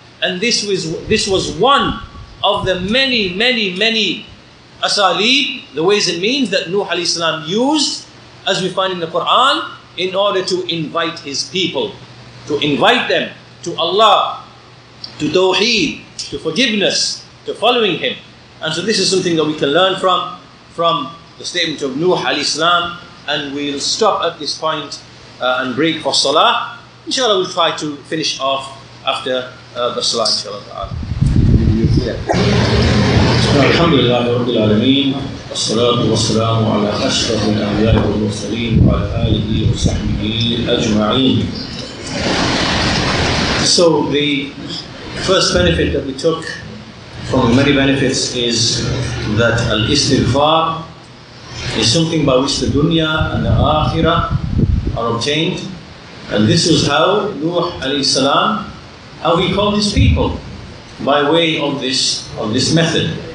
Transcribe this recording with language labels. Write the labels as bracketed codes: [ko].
[en] And this was one of the many, many, many asaleeb, the ways and means that Nuh alayhi salam used, as we find in the Quran, in order to invite his people, to invite them to Allah, to tawheed, to forgiveness, to following him. And so this is something that we can learn from the statement of Nuh alayhi salam. And we'll stop at this point and break for salah. Inshallah, we'll try to finish off after the salah, inshallah. [ar] الحمد لله رب العالمين والصلاة والسلام على أشرف الأنبياء والمرسلين وعلى آله وصحبه أجمعين. [en] So the first benefit that we took from the many benefits is that al-istighfar is something by which the dunya and the akhirah are obtained. And this is how Nuh alayhi salam, how he called his people by way of this method.